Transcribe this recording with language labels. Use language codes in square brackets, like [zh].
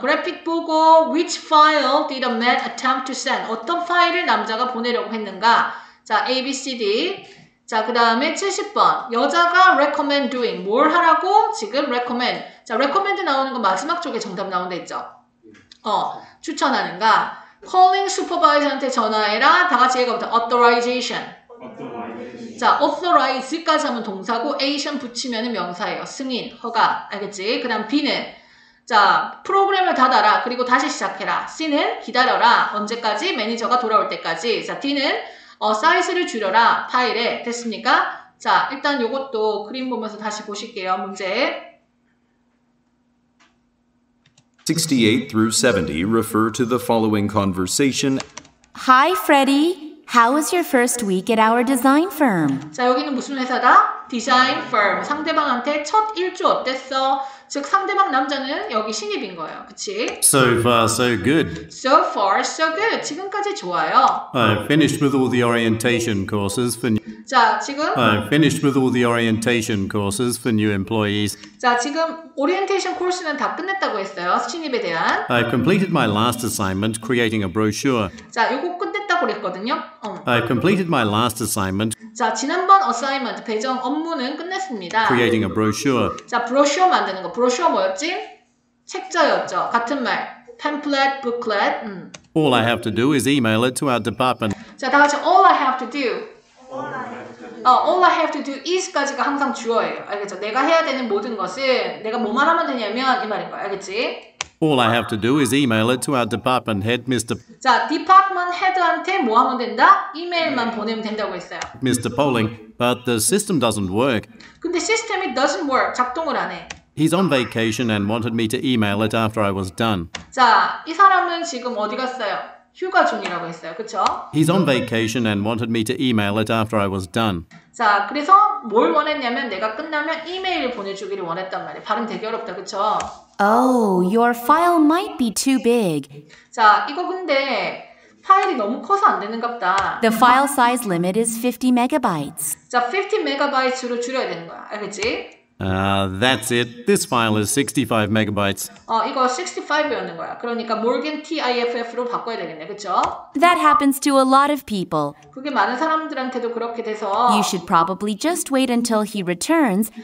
[ko] 그래픽 보고, [en] which file did a man attempt to send? [ko] 어떤 파일을 남자가 보내려고 했는가? 자, A, B, C, D. 자, 그 다음에 70번. [en] 여자가 recommend doing. [ko] 뭘 하라고? 지금 recommend. 자, recommend 나오는 거 마지막 쪽에 정답 나온다 했죠? 추천하는가? calling supervisor한테 전화해라. 다 같이 읽어보자. authorization. [en] authorization. [ko] 자, authorize까지 하면 동사고, ation 붙이면 명사예요. 승인, 허가. 알겠지? 그 다음 B는? 자, 프로그램을 닫아라. 그리고 다시 시작해라. C는? 기다려라. 언제까지? 매니저가 돌아올 때까지. 자, D는? 사이즈를 줄여라. 파일에. 됐습니까? 자, 일단 요것도 그림 보면서 다시 보실게요. 문제. [en] 68 through 70 refer to the following conversation. Hi, Freddie. How was your first week at our design firm? [ko] 자, 여기는 무슨 회사다? Design firm. 상대방한테 첫 일주 어땠어? 즉, 상대방 남자는 여기 신입인 거예요. 그치? [en] So far, so good. So far, so good. [ko] 지금까지 좋아요. [en] I finished with all the orientation courses for new... [ko] 자, 지금... [en] I finished with all the orientation courses for new employees. [ko] 자, 지금 오리엔테이션 코스는 다 끝냈다고 했어요. 신입에 대한. [en] I completed my last assignment creating a brochure. [ko] 자, 이거 끝냈다고 그랬거든요. [en] I completed my last assignment. [ko] 자, 지난번 assignment, 배정 업무는 끝냈습니다. [en] Creating a brochure. [ko] 자, brochure 만드는 거. brochure 뭐였지? 책자였죠. 같은 말. pamphlet, booklet. [en] All I have to do is email it to our department. [ko] 자, 다 같이 [en] all I have to do. All I have to do [ko] is까지가 항상 주어예요. 알겠죠? 내가 해야 되는 모든 것은 내가 뭐만 하면 되냐면 이 말인 거야. 알겠지? [en] All I have to do is email it to our department head, Mr. [ko] 자, department head한테 뭐 하면 된다? 이메일만 보내면 된다고 했어요. [en] Mr. Poling, but the system doesn't work. [ko] 근데 시스템이 [en] doesn't work, [ko] 작동을 안 해. [en] He's on vacation and wanted me to email it after I was done. [ko] 자, 이 사람은 지금 어디 갔어요? 휴가 중이라고 했어요, 그쵸? [en] He's on vacation and wanted me to email it after I was done. [ko] 자, 그래서 뭘 원했냐면 내가 끝나면 이메일을 보내주기를 원했단 말이에요. 발음 되게 어렵다, 그쵸? [en] Oh, your file might be too big. [ko] 자, 이거 근데 파일이 너무 커서 안 되는갑다. [en] The file size limit is 50 megabytes. [ko] 자, 50 megabytes로 줄여야 되는 거야, 알겠지? [en] That's it. This file is 65 megabytes. [ko] 이거 65이었는 거야. 그러니까 Morgan TIFF로 바꿔야 되겠네, 그쵸? [en] That happens to a lot of people. [ko] 그게 많은 사람들한테도 그렇게 돼서 [en] You should probably just wait until he returns.